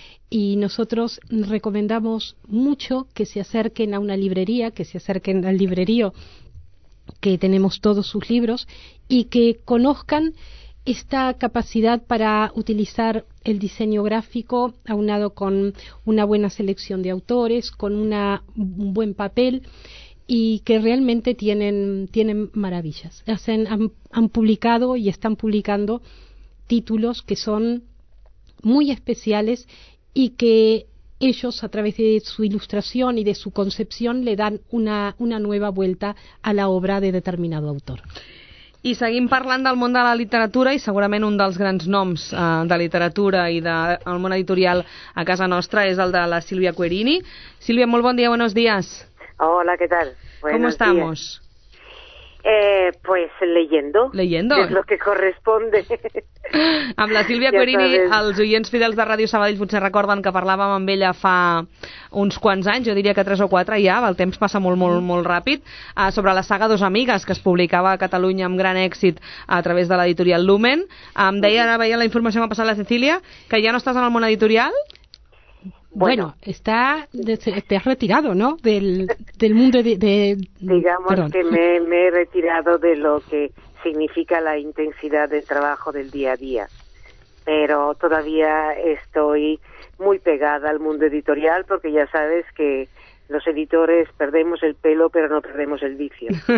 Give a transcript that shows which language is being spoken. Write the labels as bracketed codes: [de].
[es] Y nosotros recomendamos mucho que se acerquen a una librería, que se acerquen al librerío, que tenemos todos sus libros, y que conozcan esta capacidad para utilizar el diseño gráfico aunado con una buena selección de autores, con un buen papel, y que realmente tienen maravillas. Han publicado y están publicando títulos que son muy especiales y que ellos, a través de su ilustración y de su concepción, le dan una nueva vuelta a la obra de determinado autor. [ca] I seguim parlant del món de la literatura, i segurament un dels grans noms de literatura i del món editorial a casa nostra és el de la Sílvia Querini. Sílvia, molt bon dia, [es] buenos días. Hola, ¿qué tal? ¿Cómo estamos? Pues leyendo. Leyendo. Que és el que corresponde. [ca] Amb la Sílvia ja Querini, els oients fidels de Ràdio Sabadell potser recorden que parlàvem amb ella fa uns quants anys, jo diria que 3 o 4 ja, el temps passa molt, molt, molt ràpid, sobre la saga Dos Amigues, que es publicava a Catalunya amb gran èxit a través de l'editorial Lumen. Em deia, ara veia la informació que m'ha passat la Cecília, que ja no estàs en el món editorial... [es] Bueno, está, te has retirado, ¿no? Del mundo de digamos, perdón. Que me he retirado de lo que significa la intensidad del trabajo del día a día. Pero todavía estoy muy pegada al mundo editorial porque ya sabes que los editores perdemos el pelo, pero no perdemos el vicio.